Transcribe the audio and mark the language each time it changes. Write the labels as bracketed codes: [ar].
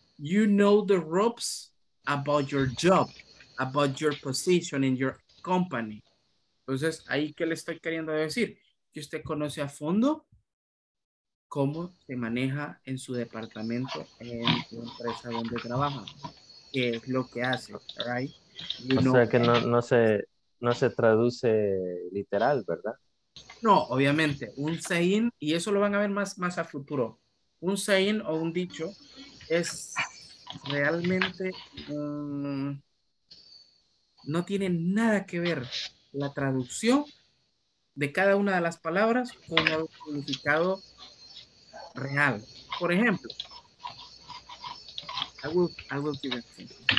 [en] You know the ropes about your job, about your position in your company. [es] Entonces, ahí que le estoy queriendo decir, que usted conoce a fondo cómo se maneja en su departamento, en su empresa donde trabaja, qué es lo que hace, [en] right? [es] You o know, sea, que no se traduce literal, ¿verdad? No, obviamente, un saying, y eso lo van a ver más a futuro, un saying o un dicho es realmente, no tiene nada que ver la traducción de cada una de las palabras con el significado real. Por ejemplo, [en] I will give it to you.